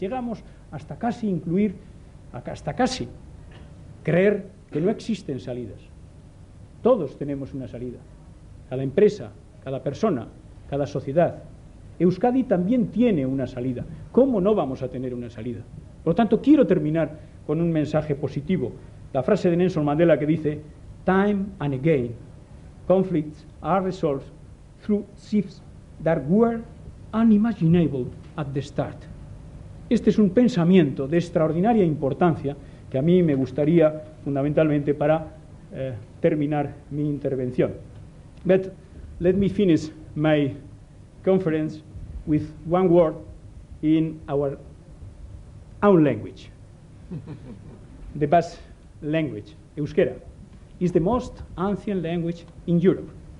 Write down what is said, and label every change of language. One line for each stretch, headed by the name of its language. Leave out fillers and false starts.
Spanish: Llegamos hasta casi creer que no existen salidas. Todos tenemos una salida. Cada empresa, cada persona, cada sociedad. Euskadi también tiene una salida. ¿Cómo no vamos a tener una salida? Por lo tanto, quiero terminar con un mensaje positivo. La frase de Nelson Mandela que dice:
English: "Time and again, conflicts are resolved through shifts that were unimaginable at the start."
Spanish: Este es un pensamiento de extraordinaria importancia que a mí me gustaría fundamentalmente para terminar mi intervención.
English: But let me finish my conference with one word in our own language. The Basque language, Euskera, is the most ancient language in Europe.